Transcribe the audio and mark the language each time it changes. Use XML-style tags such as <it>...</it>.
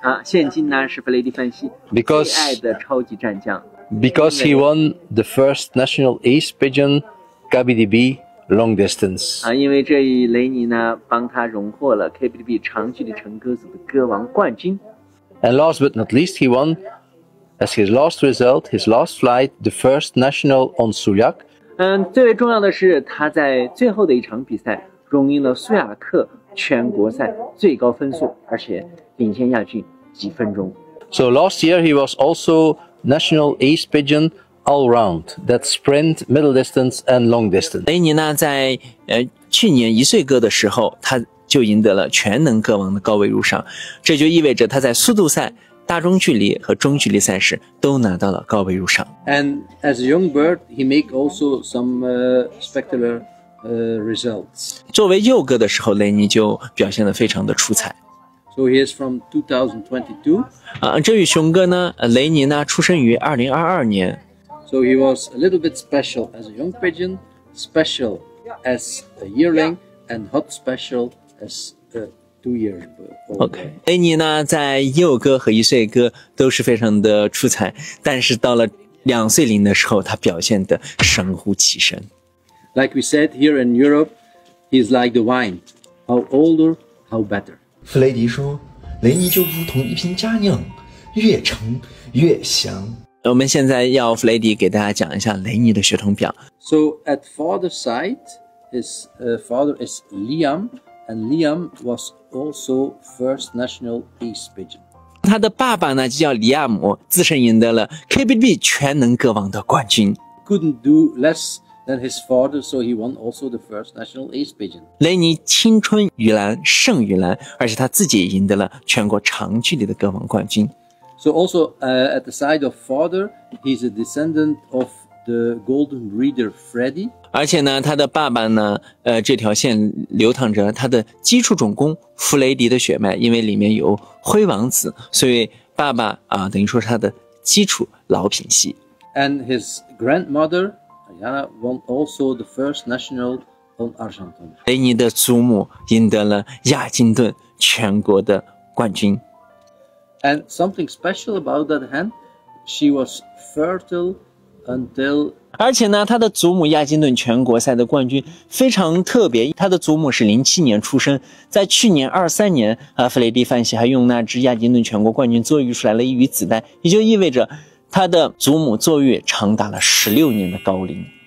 <zh>现今呢是弗雷迪·范西</zh> <en>，because,</en> <zh>最爱的超级战将。</zh> <en>Because he won the first national ace pigeon KBDB long distance。</en> <zh>因为这一雷尼呢，帮他荣获了 KBDB 长距离成鸽组的歌王冠军。</zh> <en>And last but not least, he won as his last result, his last flight, the first national on Suyak。</en> <zh>最为重要的是，他在最后的一场比赛荣膺了苏雅克全国赛最高分数，而且。领先亚军几分钟。</zh> <en>So last year he was also national ace pigeon all round. That sprint, middle distance, and long distance.</en> <zh>雷尼呢，在去年一岁鸽的时候，他就赢得了全能鸽王的高位入赏。这就意味着他在速度赛、大中距离和中距离赛事都拿到了高位入赏。</zh> <en>And as a young bird, he make also some spectacular results.</en> <zh>作为幼鸽的时候，雷尼就表现得非常的出彩。</zh> <en>So he is from 2022.</en> <zh>这位雄鸽呢，雷尼呢，出生于2022年。</zh> <en>So he was a little bit special as a young pigeon, special as a yearling, and hot special as a two-year-old. Okay.</en> <zh>雷尼呢，在幼鸽和一岁鸽都是非常的出彩，但是到了两岁龄的时候，他表现得神乎其神。</zh> <en>Like we said here in Europe, he's like the wine. How older, how better.</en> <zh>弗雷迪说，雷尼就如同一瓶佳酿，越陈越香。我们现在要弗雷迪给大家讲一下雷尼的血统表。</zh> <en>So at father's side, his father is Liam, and Liam was also first national ace pigeon.</en> <zh>他的爸爸呢，就叫李亚姆，自身赢得了 KBDB 全能鸽王的冠军。</zh> <en>Couldn't do less. Then his father, so he won also the first national ace pigeon.</en> <zh>雷尼青春于蓝胜于蓝，而且他自己赢得了全国长距离的鸽王冠军。</zh> <en>So also, at the side of father, he's a descendant of the golden breeder Freddy.</en> <zh>而且呢，他的爸爸呢，这条线流淌着他的基础种公弗雷迪的血脉，因为里面有灰王子，所以爸爸啊，等于说是他的基础老品系。</zh> <en>And his grandmother. Diana won also the first national on Argenton.</en> <zh>雷尼的祖母赢得了亚金顿全国的冠军。</zh> <en>And something special about that hen, she was fertile until.</en> <zh>而且呢，他的祖母亚金顿全国赛的冠军非常特别。他的祖母是07年出生，在去年23年，弗雷迪范西还用那只亚金顿全国冠军做育出来了一羽子弹，也就意味着。他的祖母坐月长达了16年的高龄。</zh>